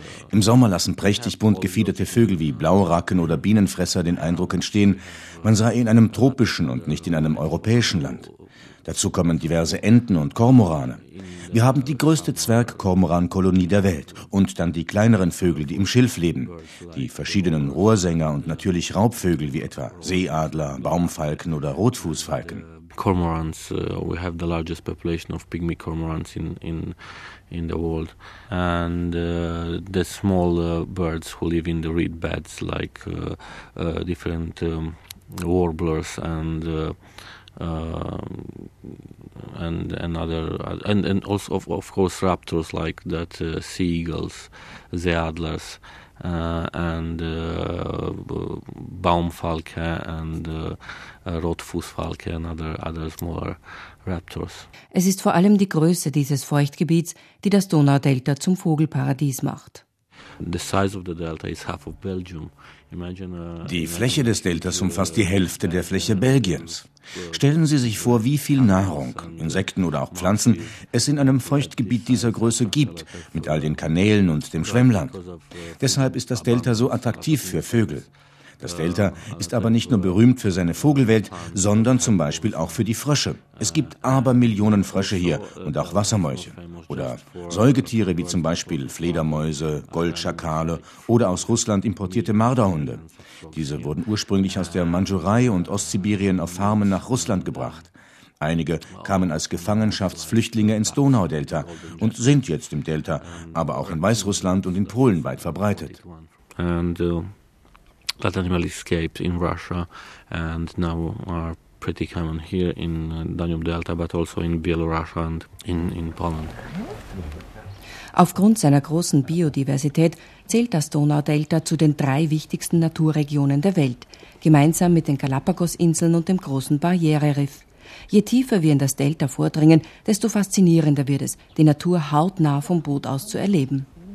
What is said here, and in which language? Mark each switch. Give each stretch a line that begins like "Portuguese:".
German: Im Sommer lassen prächtig bunt gefiederte Vögel wie Blauracken oder Bienenfresser den Eindruck entstehen, man sei in einem tropischen und nicht in einem europäischen Land. Dazu kommen diverse Enten und Kormorane. Wir haben die größte Zwerg-Kormoran-Kolonie der Welt und dann die kleineren Vögel, die im Schilf leben. Die verschiedenen Rohrsänger und natürlich Raubvögel wie etwa Seeadler, Baumfalken oder Rotfußfalken.
English: Cormorants, we have the largest population of pygmy cormorants in the world. And the small birds who live in the reed beds, like different warblers and and also of course raptors like that, sea eagles, the adlers, and Baumfalke and Rotfußfalke and other smaller raptors.
German: Es ist vor allem die Größe dieses Feuchtgebiets, die das Donaudelta zum Vogelparadies macht.
English: The size of the delta is half of Belgium.
German: Die Fläche des Deltas umfasst die Hälfte der Fläche Belgiens. Stellen Sie sich vor, wie viel Nahrung, Insekten oder auch Pflanzen, es in einem Feuchtgebiet dieser Größe gibt, mit all den Kanälen und dem Schwemmland. Deshalb ist das Delta so attraktiv für Vögel. Das Delta ist aber nicht nur berühmt für seine Vogelwelt, sondern zum Beispiel auch für die Frösche. Es gibt Abermillionen Frösche hier und auch Wassermäuse. Oder Säugetiere wie zum Beispiel Fledermäuse, Goldschakale oder aus Russland importierte Marderhunde. Diese wurden ursprünglich aus der Mandschurei und Ostsibirien auf Farmen nach Russland gebracht. Einige kamen als Gefangenschaftsflüchtlinge ins Donaudelta und sind jetzt im Delta, aber auch in Weißrussland und in Polen weit verbreitet.
English: And that animal escaped in Russia and now are pretty common here in Danube Delta, but also in Belarus and in Poland.
German: Aufgrund seiner großen Biodiversität zählt das Donaudelta zu den drei wichtigsten Naturregionen der Welt, gemeinsam mit den Galapagosinseln und dem großen Barriereriff. Je tiefer wir in das Delta vordringen, desto faszinierender wird es, die Natur hautnah vom Boot aus zu erleben.